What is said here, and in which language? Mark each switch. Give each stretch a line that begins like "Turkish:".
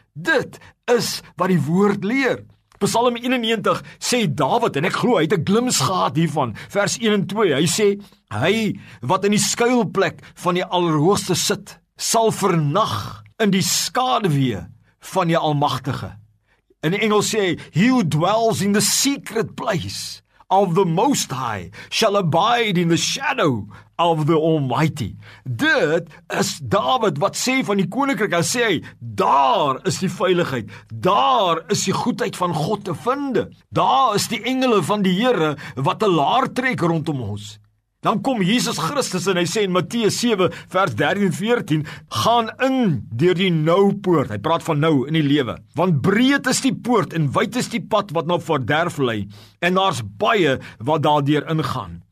Afrikaans: Dit is wat die woord leer. Psalm 91 sê Dawid, en ek glo hy het 'n glimps gehad hiervan, vers 1 en 2, hy sê, hy wat in die skuilplek van die Allerhoogste sit, sal vernag in die skaduwee van die Almagtige. In Engels sê hy,
English: he who dwells in the secret place of the Most High shall abide in the shadow of the Almighty.
Afrikaans: Dit is Dawid wat sê van die koninkryk, hy sê, daar is die veiligheid, daar is die goedheid van God te vinde, daar is die engele van die Here wat 'n laar trek rondom ons. Dan kom Jesus Christus en hy sê in Matteus 7 vers 13 en 14, gaan in deur die nou poort, hy praat van nou in die lewe, want breed is die poort en wyd is die pad wat na verderf lei, en daar's baie wat daardeur ingaan.